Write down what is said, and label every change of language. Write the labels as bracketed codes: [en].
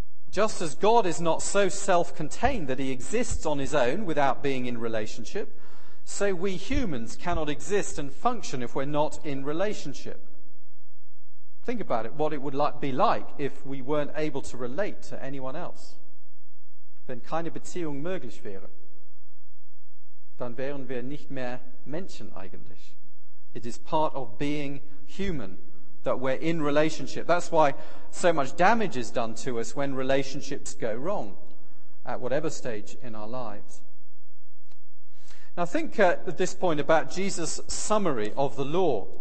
[en] Just as God is not so self-contained that he exists on his own without being in relationship, so we humans cannot exist and function if we're not in relationship. Think about it, what it would be like if we weren't able to relate to anyone else. [de] Wenn keine Beziehung möglich wäre, dann wären wir nicht mehr Menschen eigentlich. [en] It is part of being human that we're in relationship. That's why so much damage is done to us when relationships go wrong at whatever stage in our lives. Now think at this point about Jesus' summary of the law.